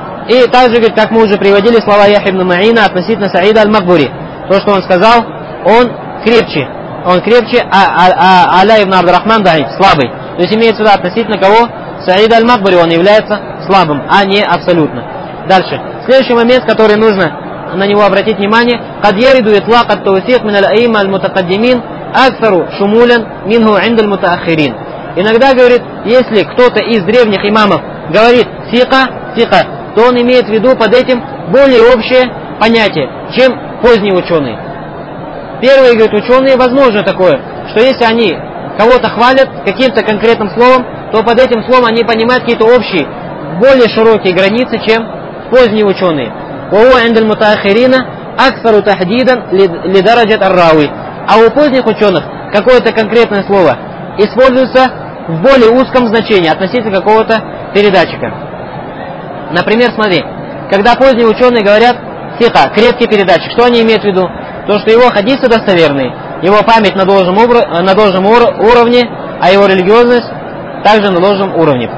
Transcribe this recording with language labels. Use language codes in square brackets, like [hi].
[ru] И также, говорит, как мы уже приводили слова Яхья ибн Маина относительно Саида аль-Макбури. То, что он сказал, он крепче. Он крепче, а Аля ибн Абдурахман Дайб слабый. То есть имеется в виду относительно кого? Саида аль-Макбури, он является слабым, а не абсолютно. Дальше. Следующий момент, который нужно на него обратить внимание. [ar] قد يرد إطلاق التوثيق من الأئمة المتقدمين أكثر شمولا منه عند المتأخرين. [ru] Иногда говорит, если кто-то из древних имамов говорит сика, то он имеет в виду под этим более общее понятие, чем поздние ученые. Первые, говорит, ученые, возможно такое, что если они кого-то хвалят каким-то конкретным словом, то под этим словом они понимают какие-то общие, более широкие границы, чем поздние ученые. [ar] وهو عند المتأخرين أكثر تحديدا لدرجة الراوي. [ru] А у поздних ученых какое-то конкретное слово используется в более узком значении относительно какого-то передатчика. Например, смотри, когда поздние ученые говорят сиха, крепкий передатчик, что они имеют в виду? То, что его хадисы достоверные, его память на должном уровне, а его религиозность также на должном уровне.